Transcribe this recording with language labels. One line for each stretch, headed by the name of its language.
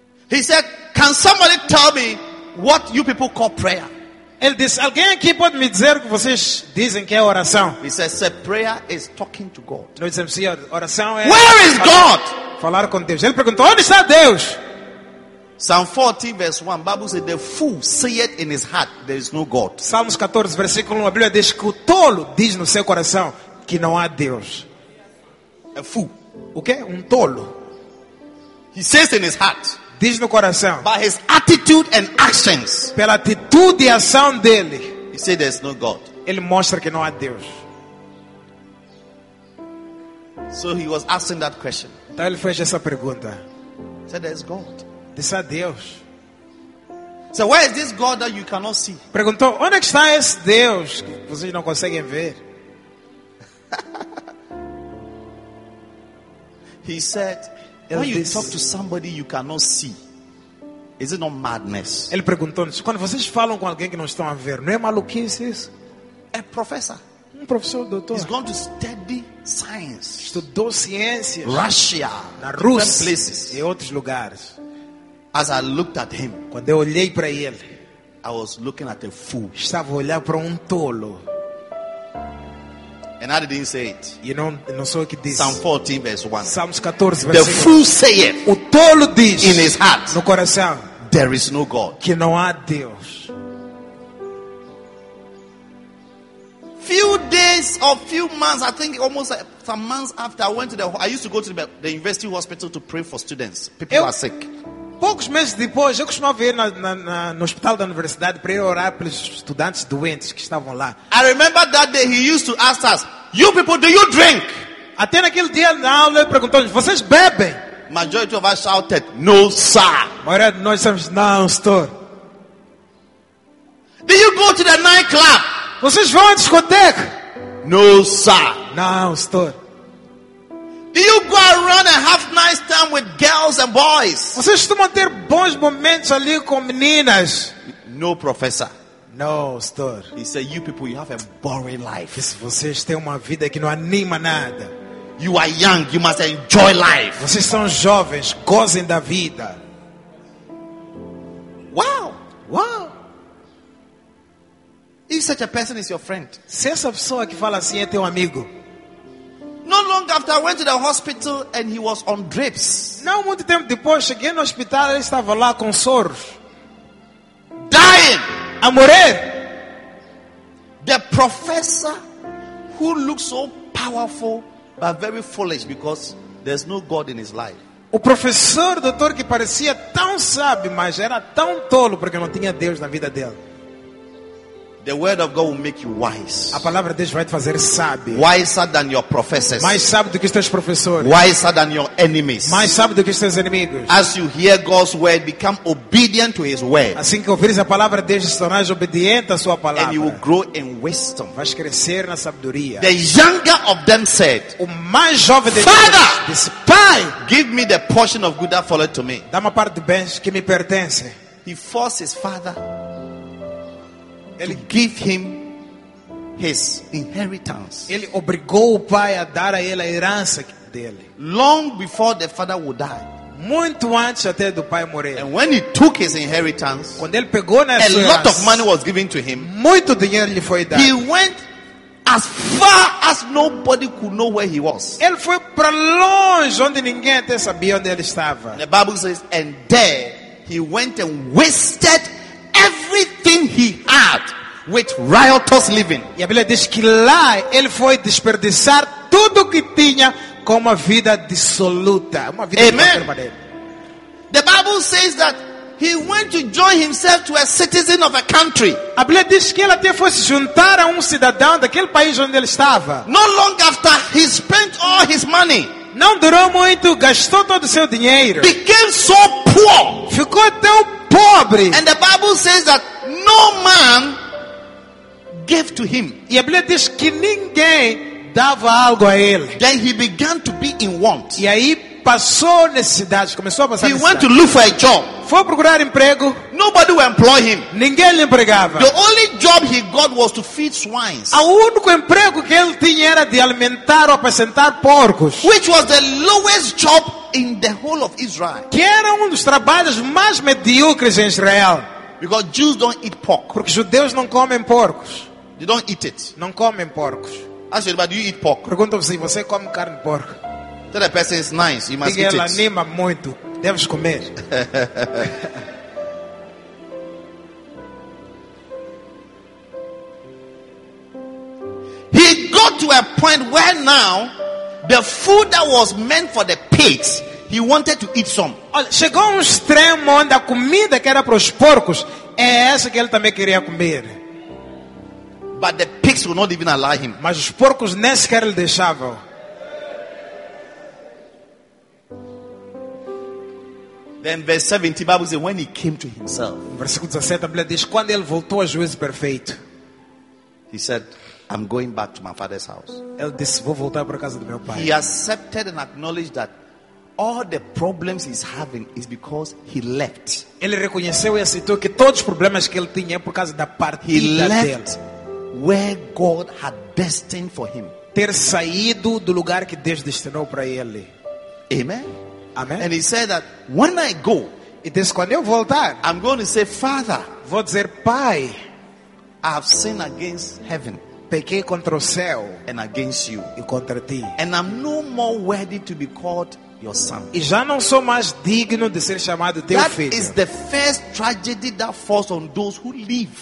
English: He said, "Can somebody tell me what you people call prayer?"
Portuguese: Ele disse, alguém aqui pode me dizer o que vocês dizem que é oração?
English: He said, "Sir, prayer is talking to God."
Portuguese: Não disse, "Sir, oração é."
English: Where is God?
Portuguese: Falar com Deus. Ele perguntou, onde está Deus?
English: Psalm 14, verse 1. Bible says, "The fool saith in his heart, there is no God."
Portuguese: Salmos 14, versículo 1. A Bíblia diz que o tolo diz no seu coração que não há Deus.
English: A fool.
Portuguese: O quê? Um tolo.
English: He says in his heart.
Portuguese: Diz no coração.
English: By his attitude and actions.
Portuguese: Pela atitude e ação dele.
English: He says there is no God.
Portuguese: Ele mostra que não há Deus.
English: So he was asking that question.
Portuguese: Então ele fez essa pergunta.
English: Said there is God.
Portuguese: Disse a Deus.
English: So where is this God that you cannot see?
Portuguese: Perguntou, onde é que está esse Deus que vocês não conseguem ver?
English: He said, when you talk to somebody you cannot see, is it not madness?
Portuguese: Ele perguntou, quando vocês falam com alguém que não estão a ver, não é maluquice isso?
English: A professor.
Portuguese: Um professor, doutor.
English: He's going to study science.
Portuguese: Estudou ciências.
English: Russia.
Portuguese: Na Rússia.
English: Different places.
Portuguese: E outros lugares.
English: As I looked at him,
Portuguese: quando eu olhei para ele,
English: I was looking at a fool.
Portuguese: Estava a olhar para tolo.
English: And I didn't say it. You know,
Portuguese: não sou o que disse.
English: Psalm 14, verse 1.
Portuguese: Salmos 14, verse 1.
English: The fool saith.
Portuguese: O tolo diz.
English: In his heart.
Portuguese: No coração.
English: There is no God.
Portuguese: Que não há Deus.
English: Few days or few months, I think almost some months after I went to the, I used to go to the university hospital to pray for students. People were sick.
Portuguese: Poucos meses depois, eu costumava ir no hospital da universidade para ir orar pelos estudantes doentes que estavam lá.
English: I remember that day he used to ask us, "You people, do you drink?"
Portuguese: Até naquele dia na aula ele perguntou-nos, "Vocês bebem?"
English: Majority of us shouted, "No, sir."
Portuguese: Maioria de nós dissemos, "Não, senhor."
English: Do you go to the nightclub?
Portuguese: Vocês vão à discoteca?
English: No, sir.
Portuguese: Não, senhor.
English: Do you go around and have nice time with girls and boys?
Portuguese: Vocês costumam ter bons momentos ali com meninas?
English: No, professor.
Portuguese: No, senhor.
English: He said, "You people, you have a boring life."
Portuguese: Vocês têm uma vida que não anima nada.
English: You are young, you must enjoy life.
Portuguese: Vocês são jovens, gozem da vida.
English: Wow.
Portuguese: Wow.
English: If such a person is your friend.
Portuguese: Se essa pessoa que fala assim é teu amigo.
English: Not long after I went to the hospital and he was on drips.
Portuguese: Não muito tempo depois cheguei no hospital e ele estava lá com soro.
English: Dying.
Portuguese: A morrer.
English: The professor who looks so powerful but very foolish because there's no God in his life.
Portuguese: O professor, doutor, que parecia tão sábio, mas era tão tolo porque não tinha Deus na vida dele.
English: The word of God will make you wise.
Portuguese: A palavra de Deus vai te fazer sábio.
English: Wiser than your professors.
Portuguese: Mais sábio do que os teus professores.
English: Wiser than your enemies.
Portuguese: Mais sábio do que os teus inimigos.
English: As you hear God's word, become obedient to His word.
Portuguese: Assim que ouvires a palavra de Deus, tornarás obediente à sua palavra.
English: And you will grow in wisdom.
Portuguese: Vais crescer na sabedoria.
English: The younger of them said,
Portuguese: o mais jovem deles,
English: "Father,
Portuguese: disse, Pai,
English: give me the portion of good that followed to me."
Portuguese: Dá-me a parte do bem que me pertence.
English: He forced his father. Ele give him his inheritance.
Portuguese: Ele obrigou o pai a dar a ele a herança dele.
English: Long before the father would die.
Portuguese: Muito antes até do pai morrer.
English: And when he took his inheritance,
Portuguese: quando ele pegou na herança,
English: a lot of money was given to him.
Portuguese: Muito dinheiro lhe foi dado.
English: He went as far as nobody could know where he was.
Portuguese: Ele foi para longe onde ninguém até sabia onde ele estava.
English: The Bible says, and there he went and wasted everything he had with riotous living.
Portuguese: E a Bíblia diz que lá ele foi desperdiçar tudo que tinha com uma vida dissoluta, uma vida permanente.
English: The Bible says that he went to join himself to a citizen of a country.
Portuguese: A Bíblia diz que ele até foi se juntar a cidadão daquele país onde ele estava.
English: Not long after he spent all his money.
Portuguese: Não durou muito, gastou todo o seu dinheiro.
English: Became so poor.
Portuguese: Ficou tão pobre.
English: And the Bible says that no man gave to him.
Portuguese: E a Bíblia diz que ninguém dava algo a ele.
English: Then he began to be in want.
Portuguese: E aí passou necessidade, começou a passar necessidade.
English: He went to look for a job.
Portuguese: Foi procurar emprego.
English: Nobody would employ him.
Portuguese: Ninguém lhe empregava.
English: The only job he got was to feed swine.
Portuguese: O único emprego que ele tinha era de alimentar ou apacentar porcos.
English: Which was the lowest job in the whole of Israel.
Portuguese: Que era dos trabalhos mais medíocres em Israel.
English: Because Jews don't eat pork.
Portuguese: Porque judeus não comem porcos.
English: They don't eat it.
Portuguese: Não comem porcos.
English: Ask you, but do you eat pork?
Portuguese: Pergunta-se, você come carne de porco?
English: Tell the person it's nice. You must
Portuguese: diga
English: eat
Portuguese: ela
English: it.
Portuguese: Anima muito. Deves comer.
English: He got to a point where now the food that was meant for the pigs, he wanted to eat some.
Portuguese: Chegou um extremo onde a comida que era para os porcos é essa que ele também queria comer.
English: But the pigs would not even allow him.
Portuguese: Mas os porcos nem sequer lhe deixavam.
English: Then verse 17, Bible says, when he came to himself.
Portuguese: Versículo 17, a Bíblia diz, quando ele voltou ao juízo perfeito.
English: He said, I'm going back to my father's house.
Portuguese: Ele disse, vou voltar para a casa do meu pai.
English: He accepted and acknowledged that all the problems he's having is because he left.
Portuguese: Ele reconheceu e aceitou que todos os problemas que ele tinha é por causa da partida dele.
English: He left where God had destined for him.
Portuguese: Ter saído do lugar que Deus destinou para ele.
English: Amen.
Portuguese: Amen.
English: And he said that when I go, it is
Portuguese: quando eu voltar,
English: I'm going to say, Father,
Portuguese: vou dizer, Pai,
English: I have sinned against heaven,
Portuguese: pequei contra o céu,
English: and against you,
Portuguese: e contra ti,
English: and I'm no more worthy to be called your son.
Portuguese: E já não sou mais digno de ser chamado teu
English: that
Portuguese: filho.
English: Is the first tragedy that falls on those who leave.